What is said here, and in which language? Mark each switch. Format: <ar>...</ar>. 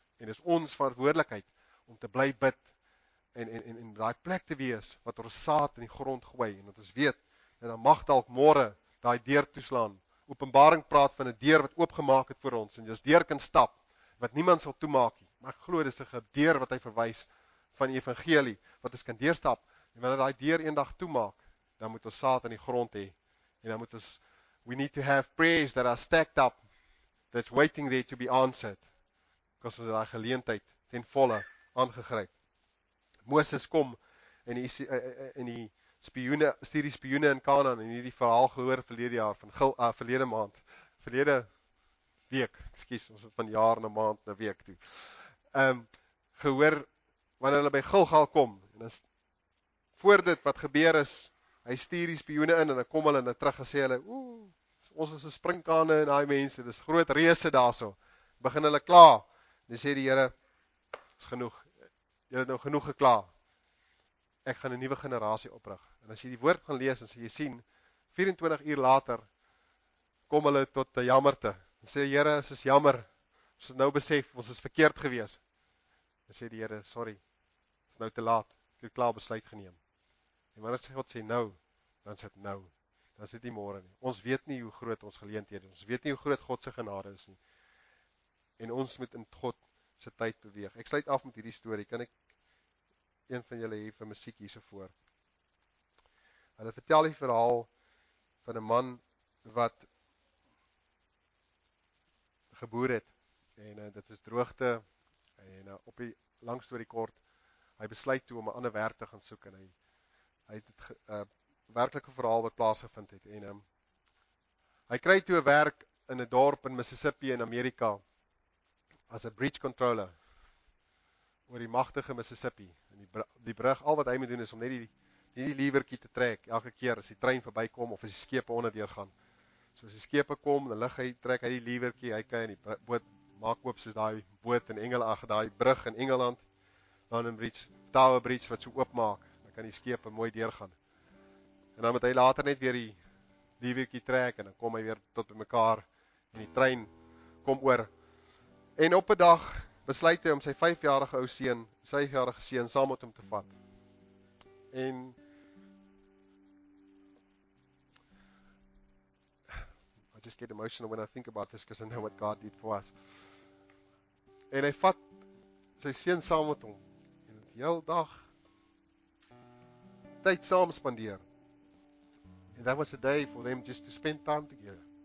<af>En is ons verantwoordelikheid om te bly bid en daai plek te wees wat ons saad in die grond gooi en dat ons weet dat dan mag dalk môre daai deur toeslaan. Openbaring praat van 'n deur wat oopgemaak het vir ons en jy as deur kan stap wat niemand sal toemaak nie. Maar ek glo dis 'n deur wat hy verwys van die evangelie wat ons kan deurstap. En wanneer daai deur eendag toemaak, dan moet ons saad in die grond hê. En dan moet ons</af> <en>we need to have prayers that are stacked up that's waiting there to be answered.</en> <af>Kos ons daai geleentheid ten volle aangegryp. Moses kom en die spioene stuur die spioene in Kanaan en hierdie verhaal gehoor verlede jaar van verlede week, ons het van jaar na maand na week toe. Gehoor wanneer hulle by Gilgal kom en is voor dit wat gebeur is, hy stuur die spioene in en dan kom hulle en hulle terug gesê hulle ons is so springkane en daai mense, dis groot reëse daarso. Begin hulle kla. Dan sê die Here is genoeg. Julle het nou genoeg gekla. Ek gaan 'n nuwe generasie oprig. En as jy die woord gaan lees, dan sê jy sien 24 uur later kom hulle tot 'n jammerte. Dan sê die Here, "Ons is jammer. Ons het nou besef ons is verkeerd gewees." Dan sê die Here, "Sorry. Dit is nou te laat. Ek het klaar besluit geneem." En wanneer sê God sê nou, dan sê dit nou. Dan sê dit môre nie. Ons weet nie hoe groot ons geleenthede is. Ons weet nie hoe groot God se genade is nie. En ons moet in God se tyd beweeg. Ek sluit af met hierdie storie. Kan ek een van julle hê vir musiek hierso voor? Hulle vertel die verhaal van 'n man wat geboer het en dit is droogte en op die lang storie kort, hy besluit toe om 'n ander werk te gaan soek en hy het 'n werklike verhaal wat plaasgevind het en hy kry toe 'n werk in 'n dorp in Mississippi in Amerika. As 'n bridge controller oor die magtige Mississippi en die brug, al wat hy moet doen is om net die lewertjie te trek elke keer as die trein verbykom of as die skepe onderdeur gaan. So as die skepe kom, dan lig hy trek hy die lewertjie, hy kyk in die boot maak oop soos daai boot in Engeland, daai brug in Engeland, dan 'n bridge, Tower Bridge wat so oop maak, dan kan die skepe mooi deurgaan. En dan moet hy later net weer die lewertjie trek en dan kom hy weer tot bymekaar en die trein kom oor. En op 'n dag besluit hy om sy 5-jarige ou seun, sy 5-jarige seun saam met hom te vat.</af> <en>En I just get emotional when I think about this because I know what God did for us.</en> <af>En hy vat sy seun saam met hom en die hele dag tyd saam spandeer.</af> <en>And that was a day for them just to spend time together.</en>